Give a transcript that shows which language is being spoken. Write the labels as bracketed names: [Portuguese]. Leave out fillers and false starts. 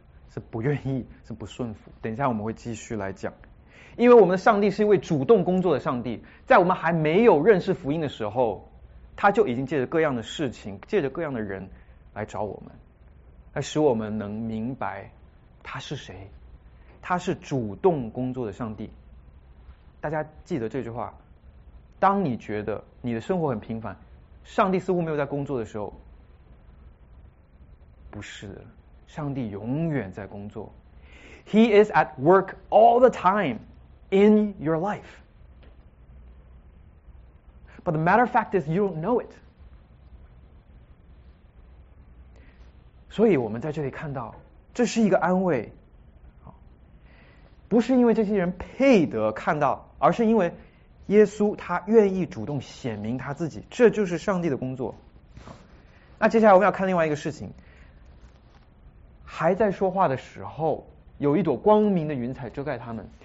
[Chinese] 是不愿意，是不顺服。等一下我们会继续来讲，因为我们的上帝是一位主动工作的上帝，在我们还没有认识福音的时候，他就已经借着各样的事情，借着各样的人来找我们，来使我们能明白他是谁。他是主动工作的上帝。大家记得这句话，当你觉得你的生活很平凡，上帝似乎没有在工作的时候，不是的，上帝永远在工作。 [English] He is at work all the time in your life. But the matter of fact is you don't know it. [Chinese] 所以我们在这里看到，这是一个安慰，不是因为这些人配得看到，而是因为耶稣他愿意主动显明他自己，这就是上帝的工作。那接下来我们要看另外一个事情，还在说话的时候，有一朵光明的云彩遮盖他们。